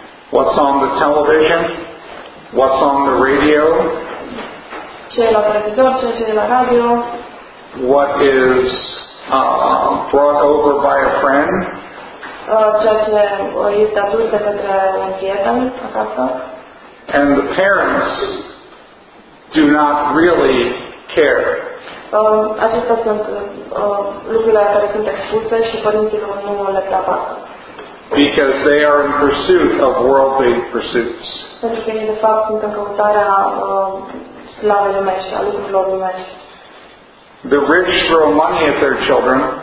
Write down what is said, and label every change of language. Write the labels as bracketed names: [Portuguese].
[English] What's on the television? What's on the radio? [Romanian] Ce e la televizor, ce e la radio. [English] What is brought over by a friend? [Romanian] Ceea ce este adus de către un prieten acasă. [English] And the parents do not really care. [Romanian] Acestea sunt lucrurile care sunt expuse și părinților nu le prea. [English] Because they are in pursuit of worldly pursuits. [Romanian] Pentru că ei de fapt sunt în căutarea slavă lumești, a lucrurilor lumești. [English] The rich throw money at their children.